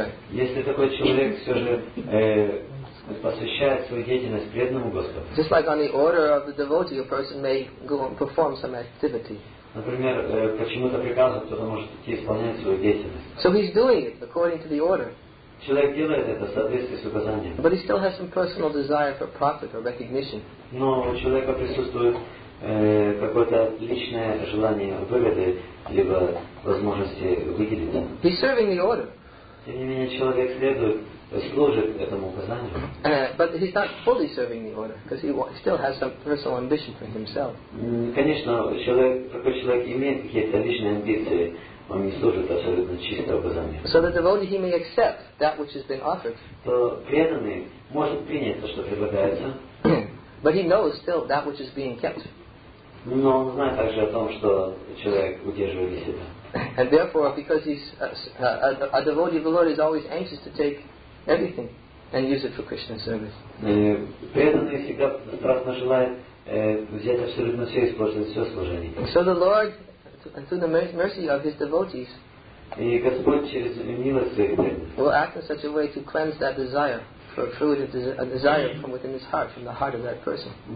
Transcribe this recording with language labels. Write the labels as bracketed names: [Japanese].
[Russian] Если такой человек все же посвящает свою деятельность преданному Господу, [English] just like on the order of the devotee, a person may go and perform some activity. [Russian] Например, почему-то приказывает, кто-то может идти исполнять свою деятельность. [English] So he's doing it according to the order. [Russian] Человек делает это в соответствии с указанием. [English] But he still has some personal desire for profit or recognition. [Russian] Но у человека присутствует какое-то личное желание выгоды либо возможности выделиться. [English] He's serving the order. [Russian] Тем не менее, человек служит этому указанию. [English] But he's not fully serving the order because he still has some personal ambition for himself. [Russian] Конечно, такой человек имеет какие-то личные амбиции. Он не служит абсолютно чисто указанием. [English] So the devotee, he may accept that which has been offered. [Russian] То преданный может принять то, что предлагается. [English] But he knows still that which is being kept. [Russian] Но он знает также о том, что человек удерживает для себя. [English] And therefore, because he's a devotee of the Lord, is always anxious to take everything and use it for Krishna's service. [Russian] Преданный всегда страстно желает взять абсолютно все и использовать все служение. [English] So the Lord, and through the mercy of his devotees, will act in such a way to cleanse that desire for fruit, a desire from within his heart, from the heart of that person.